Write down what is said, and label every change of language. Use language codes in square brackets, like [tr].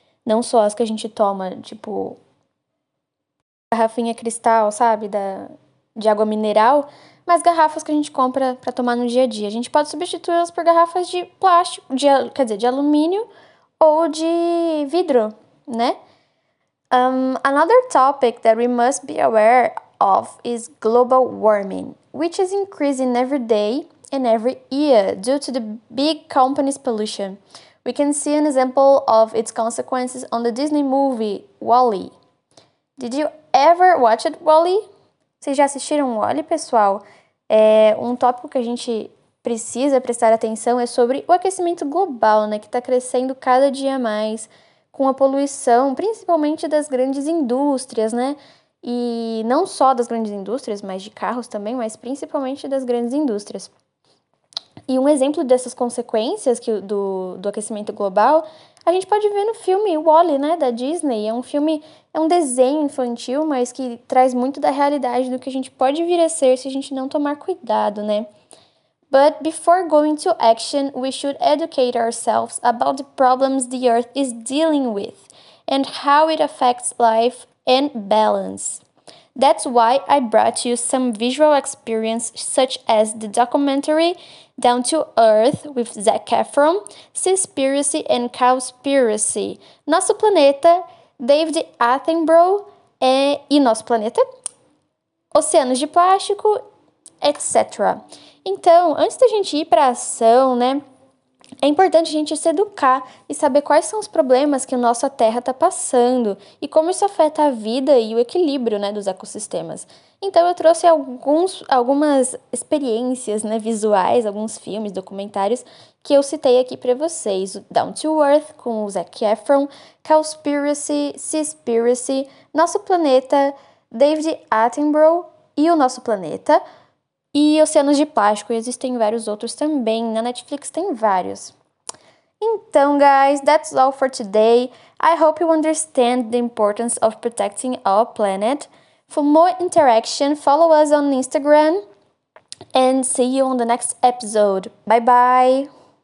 [pt] Não só as que a gente toma, tipo, garrafinha cristal, sabe? De água mineral, mas garrafas que a gente compra para tomar no dia a dia. A gente pode substituí-las por garrafas de plástico, quer dizer, de alumínio ou de vidro, né? [en] Another topic that we must be aware of is global warming, which is increasing every day and every year due to the big companies' pollution. We can see an example of its consequences on the Disney movie WALL-E. Did you ever watch it, WALL-E? [pt] Vocês já assistiram WALL-E, pessoal? É um tópico que a gente precisa prestar atenção é sobre o aquecimento global, né, que está crescendo cada dia mais com a poluição, principalmente das grandes indústrias, né? E não só das grandes indústrias, mas de carros também, mas principalmente das grandes indústrias. E um exemplo dessas consequências do aquecimento global, a gente pode ver no filme WALL-E, né, da Disney. É um desenho infantil, mas que traz muito da realidade do que a gente pode vir a ser se a gente não tomar cuidado, né? [en] But before going to action, we should educate ourselves about the problems the Earth is dealing with and how it affects life and balance. That's why I brought you some visual experience, such as the documentary Down to Earth with Zac Efron, Seaspiracy and Cowspiracy, Nosso Planeta, David Attenborough e Nosso Planeta, Oceanos de Plástico, etc. [pt] Então, antes da gente ir para a ação, né, é importante a gente se educar e saber quais são os problemas que a nossa Terra está passando e como isso afeta a vida e o equilíbrio, né, dos ecossistemas. Então, eu trouxe algumas experiências, né, visuais, alguns filmes, documentários que eu citei aqui para vocês: o Down to Earth com o Zac Efron, Cowspiracy, Seaspiracy, Nosso Planeta, David Attenborough e o Nosso Planeta. E Oceanos de Plástico, e existem vários outros também, na Netflix tem vários. [en] Então, guys, that's all for today. I hope you understand the importance of protecting our planet. For more interaction, follow us on Instagram and see you on the next episode. Bye bye!